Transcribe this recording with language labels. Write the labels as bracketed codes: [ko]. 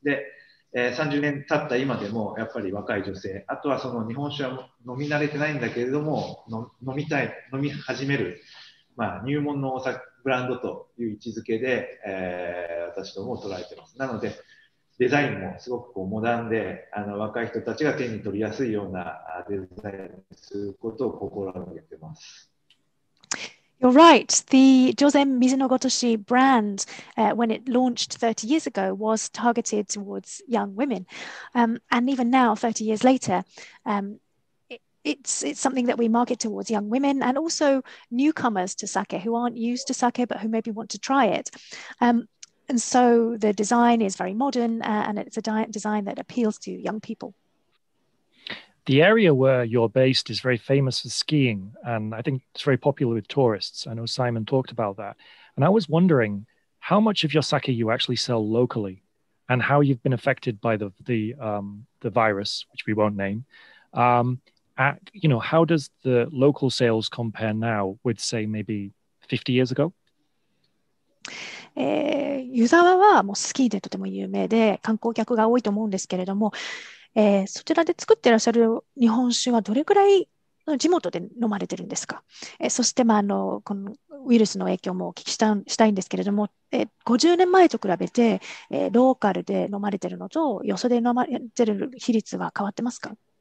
[ja] で、30年経った今でも、やっぱり若い女性、あとはその日本酒は飲み慣れてないんだけれども、飲みたい、飲み始める、まあ、入門のお酒、ブランドという位置づけで、私どもを捉えてます。なのでデザインもすごくこうモダンで、あの、若い人たちが手に取りやすいようなデザインをすることを心がけてます。 [en] You're right. The Jozen Mizunogotoshi brand, when it launched 30 years ago, was targeted towards young women. And even now, 30 years later, It's something that we market towards young women and also newcomers to sake who aren't used to sake but who maybe want to try it. And so the design is very modern, and it's a design that appeals to young people. The area where you're based is very famous for skiing, and I think it's very popular with tourists. I know Simon talked about that. And I was wondering how much of your sake you actually sell locally and how you've been affected by the virus, which we won't name. How does the local sales compare now with, say, maybe 50 years ago? [ja] 湯沢はもうスキーでとても有名で観光客が多いと思うんですけれども、そちらで作ってらっしゃる日本酒はどれくらい地元で飲まれてるんですか？そして、まあ、あの、このウイルスの影響もお聞きしたいんですけれども、50年前と比べて、ローカルで飲まれてるのとよそで飲まれてる比率は変わってますか？